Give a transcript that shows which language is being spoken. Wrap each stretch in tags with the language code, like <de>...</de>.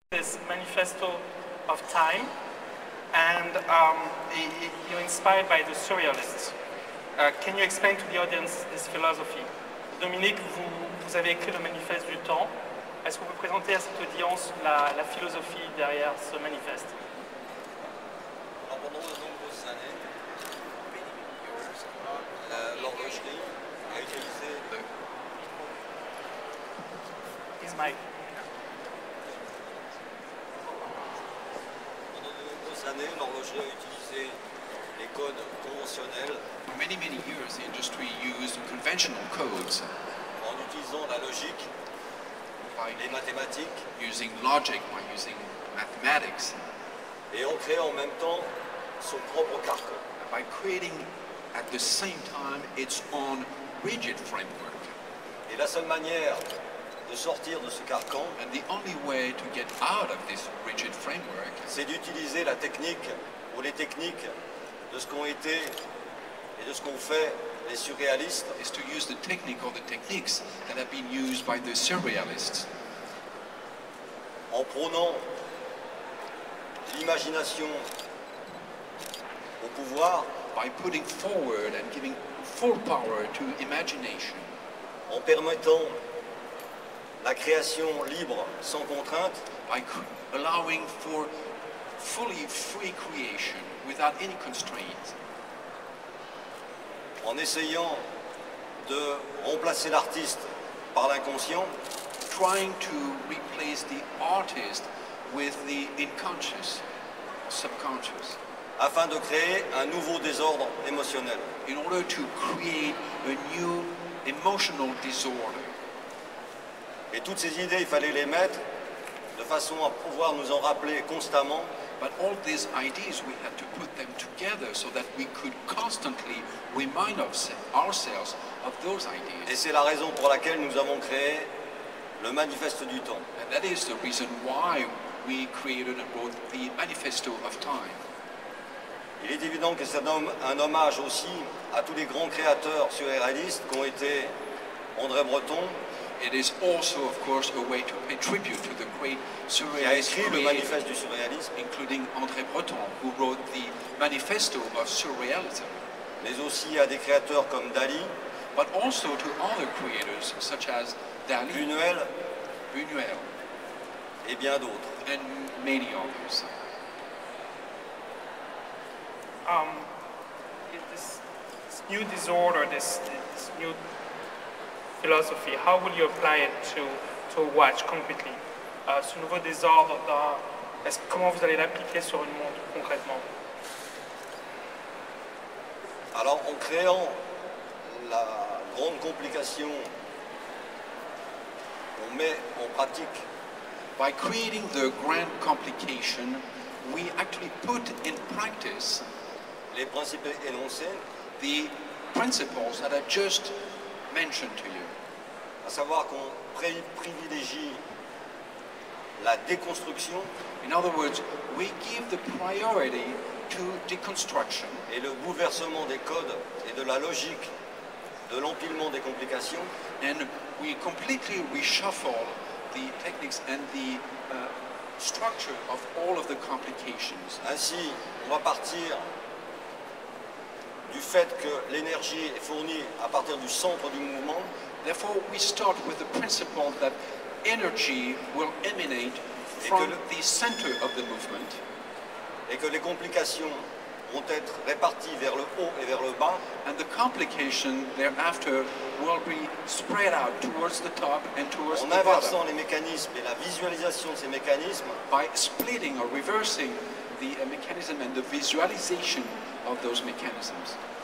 <en>this Manifesto of Time, and you're inspired by the Surrealists. Can you explain to the audience this philosophy?</en> <fr>Dominique, vous avez écrit le Manifeste du Temps. Est-ce que vous pouvez présenter à cette audience la philosophie derrière ce manifeste? Pendant de nombreuses années, l'horlogerie a utilisé les codes conventionnels.</fr> <en>For many, many years, the industry used conventional codes.</en> <fr>En utilisant la logique, les mathématiques,</fr> <en>using logic, by using mathematics,</en> <fr>et en créant en même temps son propre carcan.</fr> <en>By creating at the same time its own rigid framework.</en> <fr>Et la seule manière de sortir de ce carcan,</fr> <en>and the only way to get out of this rigid framework,</en> <fr>c'est d'utiliser la technique ou les techniques de ce qu'ont été et de ce qu'ont fait les surréalistes,</fr> <en>is to use the technique or the techniques that have been used by the surrealists.</en> <fr>En prônant l'imagination au pouvoir,</fr> <en>by putting forward and giving full power to imagination,</en> <fr>en permettant la création libre sans contrainte,</fr> <en>by allowing for fully free creation without any constraints,</en> <fr>en essayant de remplacer l'artiste par l'inconscient,</fr> <en>trying to replace the artist with the unconscious, subconscious,</en> <fr>afin de créer un nouveau désordre émotionnel,</fr> <en>in order to create a new emotional disorder.</en> <fr>Et toutes ces idées, il fallait les mettre de façon à pouvoir nous en rappeler constamment.</fr> <en>But all these ideas, we had to put them together so that we could constantly remind ourselves of those ideas.</en> <fr>Et c'est la raison pour laquelle nous avons créé le Manifeste du Temps.</fr> <en>And that is the reason why we created and wrote the Manifesto of Time.</en> <fr>Il est évident que c'est un hommage aussi à tous les grands créateurs surréalistes qu'ont été André Breton.</fr> <en>It is also, of course, a way to pay tribute to the great surrealist creator, including André Breton, who wrote the Manifesto of Surrealism.</en> <fr>Mais aussi à des créateurs comme Dali,</fr> <en>but also to other creators such as Dali,</en> <fr>Buñuel, et bien d'autres,</fr> <en>and many others. This new disorder, this new philosophy, how will you apply it to watch concretely?</en> <fr>Ce nouveau désordre, comment vous allez l'appliquer sur une montre concrètement? Alors, en créant la grande complication, on met en pratique.</fr> <en>By creating the grand complication, we actually put in practice</en> <fr>les principes énoncés,</fr> <en>the principles that I just mentioned to you.</en> <fr>À savoir qu'on privilégie la déconstruction,</fr> <en>in other words, we give the priority to deconstruction,</en> <fr>et le bouleversement des codes et de la logique de l'empilement des complications,</fr> <en>and we completely reshuffle the techniques and the structure of all of the complications.</en> <fr>Ainsi, on va partir du fait que l'énergie est fournie à partir du centre du mouvement.</fr> <en>Therefore, we start with the principle that energy will emanate from the center of the movement,</en> <fr>et que les complications vont être réparties vers le haut et vers le bas,</fr> <en>and the complication thereafter will be spread out towards the top and towards the bottom.</en> <fr>En inversant les mécanismes et la visualisation de ces mécanismes,</fr> <en>by splitting or reversing the mechanism and the visualization of those mechanisms,</en>